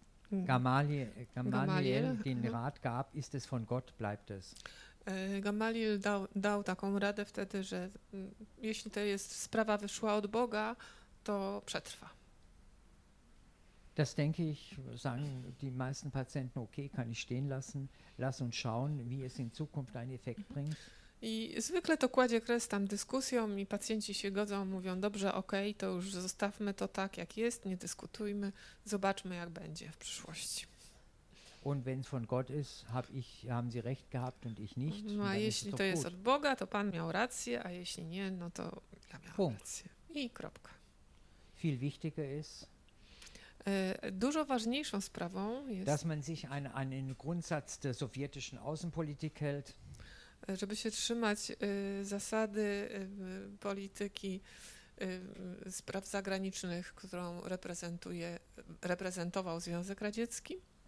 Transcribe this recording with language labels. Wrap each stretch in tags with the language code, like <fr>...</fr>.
<de>Gamaliel den Rat gab, ist es von Gott, bleibt es.</de> <pl>Gamaliel dał taką radę wtedy, że jeśli to jest sprawa wyszła od Boga, to przetrwa.</pl> <de>Das denke ich, sagen die meisten Patienten, okay, kann ich stehen lassen, lass uns schauen, wie es in Zukunft einen Effekt bringt.</de> <pl>I zwykle to kładzie kres tam dyskusjom i pacjenci się godzą, mówią, dobrze, okej, okay, to już zostawmy to tak, jak jest, nie dyskutujmy, zobaczmy, jak będzie w przyszłości.</pl> <de>Und wenn es von Gott ist, haben sie recht gehabt und ich nicht.</de> <pl>No, a jeśli to jest od Boga, to Pan miał rację, a jeśli nie, no to ja miałem rację. I kropka.</pl> <de>Viel wichtiger ist,</de> <pl>dużo ważniejszą sprawą jest,</pl> <de>dass man sich einen Grundsatz der sowjetischen Außenpolitik hält,</de> <pl>żeby się trzymać zasady polityki spraw zagranicznych, którą reprezentował Związek Radziecki.</pl>